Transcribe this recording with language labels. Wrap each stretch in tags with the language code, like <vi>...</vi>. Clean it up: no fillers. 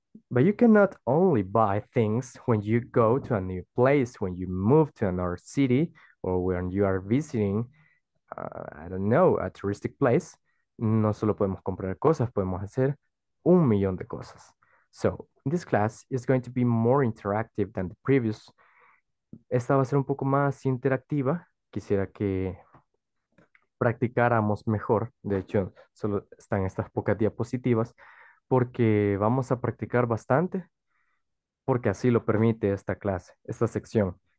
<en>But you cannot only buy things when you go to a new place, when you move to another city, or when you are visiting, I don't know, a touristic place.</en> <es>No solo podemos comprar cosas, podemos hacer un millón de cosas.</es> <en>So, this class is going to be more interactive than the previous.</en> <es>Esta va a ser un poco más interactiva. Quisiera que practicáramos mejor. De hecho, solo están estas pocas diapositivas porque vamos a practicar bastante porque así lo permite esta clase, esta sección.</es>